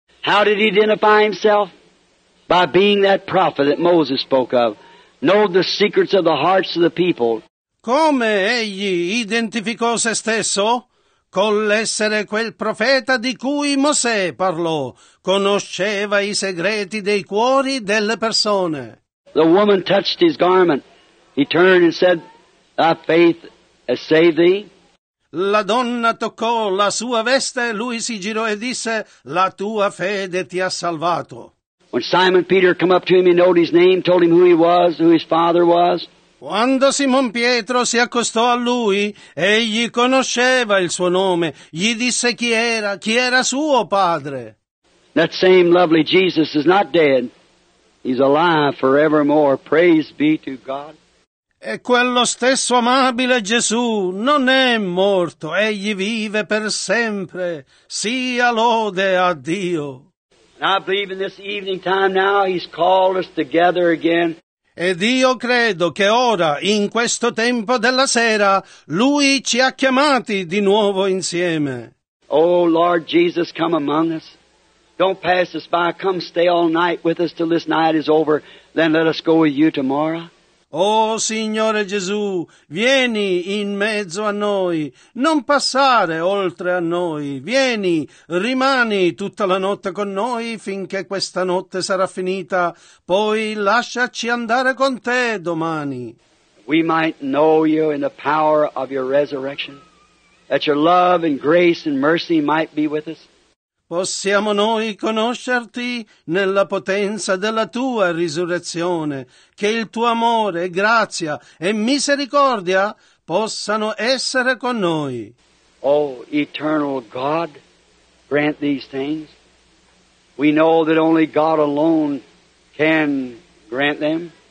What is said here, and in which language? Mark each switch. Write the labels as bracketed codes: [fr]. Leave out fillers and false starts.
[en] How did he identify himself? By being that prophet that Moses spoke of, know the secrets of the hearts of the people. [it] Come egli identificò se stesso? Con l'essere quel profeta di cui Mosè parlò, conosceva i segreti dei cuori delle persone. [en] The woman touched his garment. He turned and said, "Thy faith has saved thee." [it] La donna toccò la sua veste, lui si girò e disse, "La tua fede ti ha salvato." [en] When Simon Peter come up to him, he knew his name, told him who he was, who his father was. [it] Quando Simon Pietro si accostò a lui, egli conosceva il suo nome, gli disse chi era suo padre. [en] That same lovely Jesus is not dead. He's alive forevermore. Praise be to God. [it] E quello stesso amabile Gesù non è morto, egli vive per sempre. Sia lode a Dio. [en] And I believe in this evening time now he's called us together again. [it] Ed io credo che ora, in questo tempo della sera, lui ci ha chiamati di nuovo insieme. [en] Oh, Lord Jesus, come among us. Don't pass us by. Come stay all night with us till this night is over. Then let us go with you tomorrow. [it] Oh, Signore Gesù, vieni in mezzo a noi, non passare oltre a noi, vieni, rimani tutta la notte con noi finché questa notte sarà finita, poi lasciaci andare con te domani. [en] We might know you in the power of your resurrection, that your love and grace and mercy might be with us. [it] Possiamo noi conoscerti nella potenza della tua risurrezione, che il tuo amore, grazia e misericordia possano essere con noi. [en] Oh, eternal God, grant these things. We know that only God alone can grant them.